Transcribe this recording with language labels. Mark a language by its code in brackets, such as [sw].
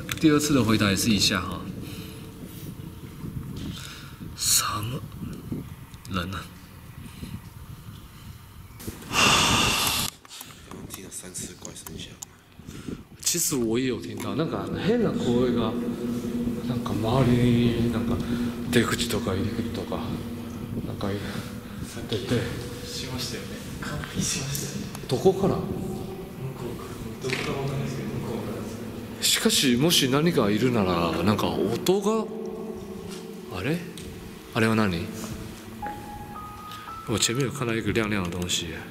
[zh] 第二次的回答也是一下哈。三人呢？刚听了三次怪声响。其实我也有听到，那个 [ja] 変な声が。なんか周りになんか出口とか入り口とかなんか出てしましたよね。完璧しましたよ、ね。どこから？向こうから。どこかわかんないですけど向こうからです。しかしもし何かいるならなんか音があれは何？ [zh] 我前面有看到一个亮亮的东西。